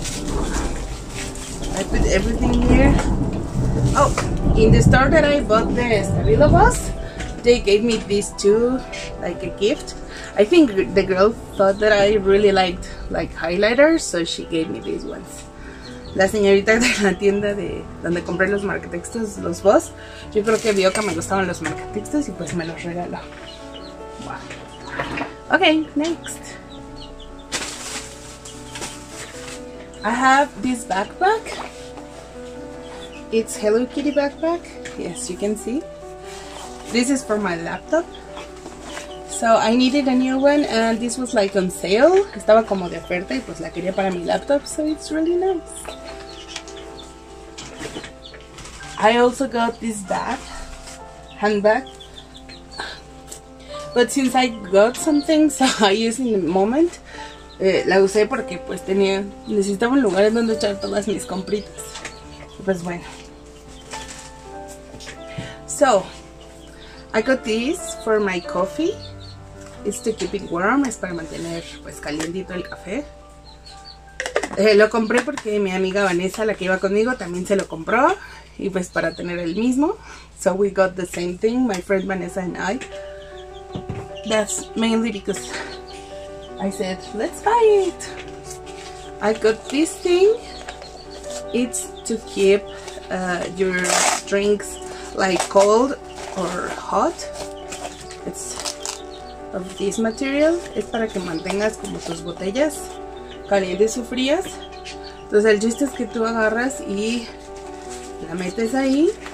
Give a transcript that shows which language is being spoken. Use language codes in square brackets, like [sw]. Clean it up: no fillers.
[en] I put everything here. Oh, in the store that I bought the Stabilobus, they gave me these two, like a gift. I think the girl thought that I really liked like highlighters, so she gave me these ones. [es] La señorita de la tienda de donde compré los marcatextos, los Boss, yo creo que vio que me gustaban los marcatextos y pues me los regaló. [en] Wow. Okay, next. I have this backpack. It's Hello Kitty backpack. Yes, you can see. This is for my laptop. So I needed a new one and this was like on sale. [es] Estaba como de oferta y pues la quería para mi laptop, [en] so it's really nice. I also got this bag, handbag. But since I got something, so I use in the moment. [es] La usé porque pues tenía, necesitaba un lugar en donde echar todas mis compritas. Pues bueno. [en] So, I got this for my coffee. It's to keep it warm, [es] es para mantener pues calientito el café. Lo compré porque mi amiga Vanessa, la que iba conmigo, también se lo compró. Y pues para tener el mismo. [en] So we got the same thing, my friend Vanessa and I. That's mainly because I said, let's buy it. I got this thing. It's to keep your drinks like cold or hot. It's of this material. [es] Es para que mantengas como tus botellas calientes o frías. Entonces el chiste es que tú agarras y la metes ahí.